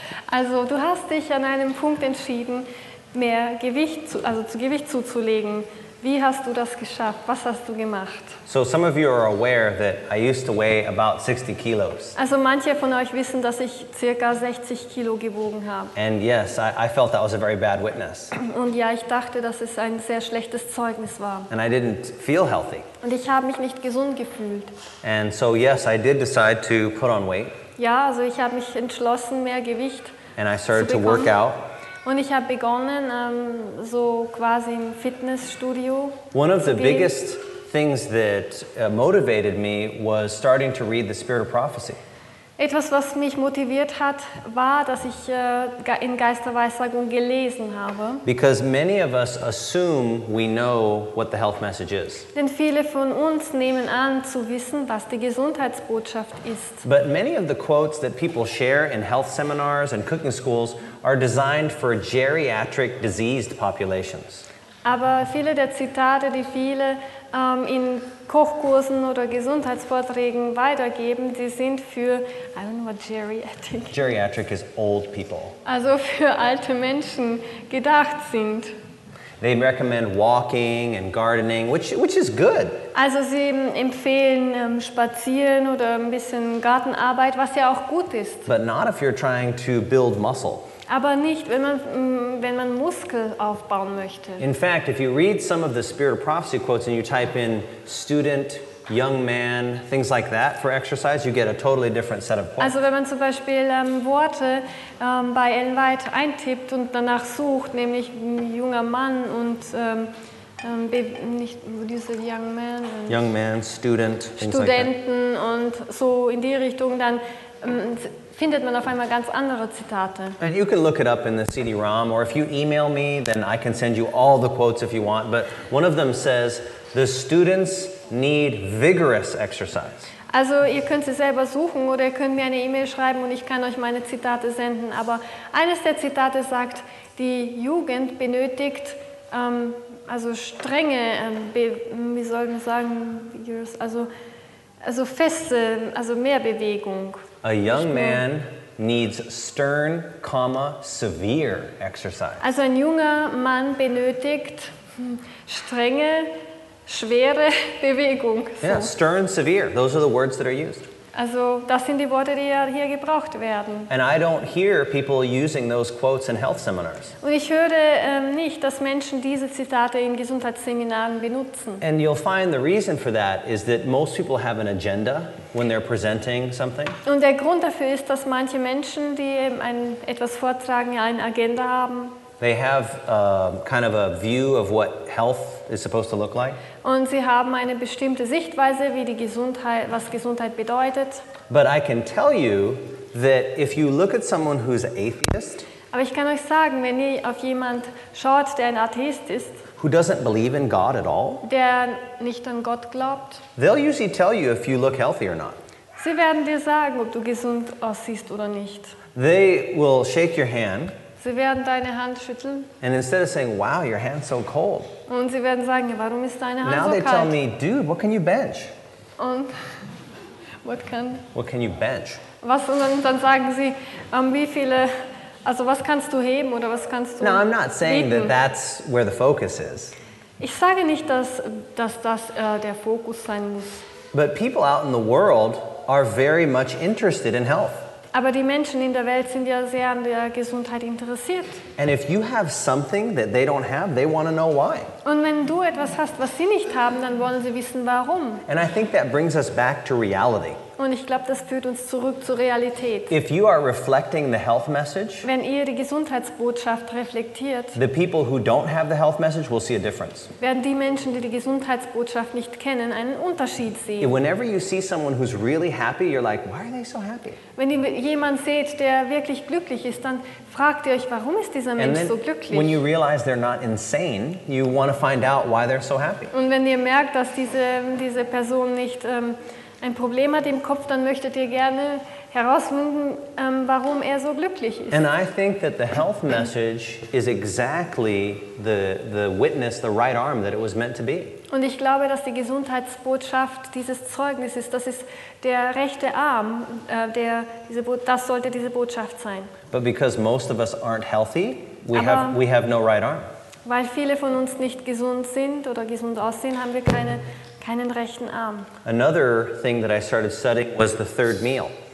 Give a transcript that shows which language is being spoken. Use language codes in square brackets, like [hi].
[de] Also du hast dich an einem Punkt entschieden, mehr Gewicht Gewicht zuzulegen. Wie hast du das geschafft? Was hast du gemacht? [en] So some of you are aware that I used to weigh about 60 kilos. [de] Also manche von euch wissen, dass ich circa 60 Kilo gewogen habe. [en] And yes, I felt that was a very bad witness. [de] Und ja, ich dachte, dass es ein sehr schlechtes Zeugnis war. [en] And I didn't feel healthy. [de] Und ich habe mich nicht gesund gefühlt. [en] And so yes, I did decide to put on weight. [de] Ja, also ich habe mich entschlossen, mehr Gewicht zu bekommen. [en] And I started to work out. [de] Und ich habe begonnen, so quasi im Fitnessstudio. [en] One of the biggest things that motivated me was starting to read the Spirit of Prophecy. [de] Etwas, was mich motiviert hat, war, dass ich in Geisterweissagung gelesen habe. [en] Because many of us assume we know what the health message is. [de] Denn viele von uns nehmen an, zu wissen, was die Gesundheitsbotschaft ist. [en] But many of the quotes that people share in health seminars and cooking schools are designed for geriatric diseased populations. [de] Aber viele der Zitate, die viele in Kochkursen oder Gesundheitsvorträgen weitergeben, die sind für, [en] I don't know what geriatric. Geriatric is old people. [de] Also für alte Menschen gedacht sind. [en] They recommend walking and gardening, which is good. [de] Also sie empfehlen spazieren oder ein bisschen Gartenarbeit, was ja auch gut ist. [en] But not if you're trying to build muscle. [de] Aber nicht, wenn man Muskel aufbauen möchte. [en] In fact, if you read some of the Spirit of Prophecy quotes and you type in student, young man, things like that for exercise, you get a totally different set of quotes. [de] Also wenn man zum Beispiel Worte bei Ellen White eintippt und danach sucht, nämlich junger Mann und nicht diese young man. [en] Young man, student, [de] Studenten Und so in die Richtung, dann findet man auf einmal ganz andere Zitate. [en] And you can look it up in the CD-ROM, or if you email me, then I can send you all the quotes if you want. But one of them says, the students need vigorous exercise. [de] Also ihr könnt sie selber suchen oder ihr könnt mir eine E-Mail schreiben und ich kann euch meine Zitate senden. Aber eines der Zitate sagt, die Jugend benötigt also strenge, wie soll man sagen, also feste, also mehr Bewegung. [en] A young man needs stern, severe exercise. [de] Also ein junger Mann benötigt strenge, schwere Bewegung. [en] So. Yeah, stern, severe. Those are the words that are used. [de] Also das sind die Worte, die ja hier gebraucht werden. [en] And I don't hear people using those quotes in health seminars. [de] Und ich höre nicht, dass Menschen diese Zitate in Gesundheitsseminaren benutzen. [en] And you'll find the reason for that is that most people have an agenda when they're presenting something. [de] Und der Grund dafür ist, dass manche Menschen, die eben etwas vortragen, ja eine Agenda haben. [en] They have kind of a view of what health is supposed to look like. [de] Und sie haben eine bestimmte Sichtweise, wie die Gesundheit, was Gesundheit bedeutet. [en] But I can tell you that if you look at someone who's an atheist, [de] aber ich kann euch sagen, wenn ihr auf jemand schaut, der ein Atheist ist, [en] who doesn't believe in God at all, [de] der nicht an Gott glaubt, [en] they'll usually tell you if you look healthy or not. [de] Sie werden dir sagen, ob du gesund aussiehst oder nicht. [en] They will shake your hand. [de] Sie werden deine Hand schütteln. [en] And instead of saying, "Wow, your hand's so cold," [de] und sie werden sagen, ja, warum ist deine Hand so kalt? [en] Now they tell me, "Dude, what can you bench?" [de] Und [en] what can you bench? [de] Was, und dann sagen sie, wie viele, also was kannst du heben oder was kannst du heben? [en] Now I'm not saying [de] heben. [en] That's where the focus is. [de] Ich sage nicht, dass das der Fokus sein muss. [en] But people out in the world are very much interested in health. [de] Aber die Menschen in der Welt sind ja sehr an der Gesundheit interessiert. [en] And if you have something that they don't have, they want to know why. [de] Und wenn du etwas hast, was sie nicht haben, dann wollen sie wissen, warum. [en] And I think that brings us back to reality. [de] Und ich glaube, das führt uns zurück zur Realität. [en] If you are reflecting the health message, [de] wenn ihr die Gesundheitsbotschaft reflektiert, [en] the people who don't have the health message will see a difference. [de] Werden die Menschen, die Gesundheitsbotschaft nicht kennen, einen Unterschied sehen. [en] And whenever you see someone who's really happy, you're like, why are they so happy? [de] Wenn ihr jemand seht, der wirklich glücklich ist, dann fragt ihr euch, warum ist dieser Mensch so glücklich? [en] When you realize they're not insane, you want to find out why they're so happy. [de] Und wenn ihr merkt, dass diese Person nicht ein Problem hat im Kopf, dann möchtet ihr gerne herausfinden, warum er so glücklich ist. [en] And I think that the health message is exactly the witness, the right arm that it was meant to be. [de] Und ich glaube, dass die Gesundheitsbotschaft dieses Zeugnis ist, das ist der rechte Arm, das sollte diese Botschaft sein. [en] But because most of us aren't healthy, we have no right arm. [de] Weil viele von uns nicht gesund sind oder gesund aussehen, haben wir keinen rechten Arm. [en] Another thing that I started studying was the third meal.